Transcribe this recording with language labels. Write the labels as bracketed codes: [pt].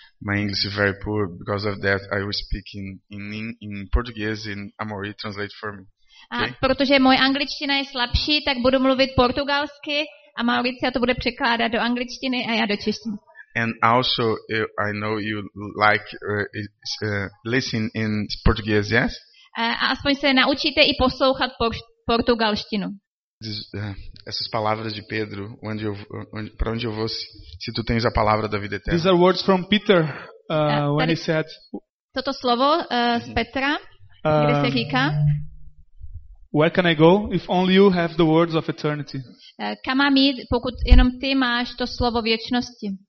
[en] My English is very poor because of that I will speak in Portuguese in Amori translate for me. [cs] A protože moje angličtina je slabší, tak budu mluvit portugalsky a Mauricio to bude překládat do angličtiny a já do češtiny. [en] And also I know you like listen in Portuguese, yes? [cs] A aspoň se naučíte i poslouchat portugalštinu. [pt] Essas palavras de Pedro, para onde eu vou se tu tens a palavra da vida eterna? [en] These are words from Peter when he said. [cs] Toto slovo z Petra, kde se říká. [en] Where can I go if only you have the words of eternity? [cs] Kam mám jít, pokud jenom ty máš to slovo věčnosti?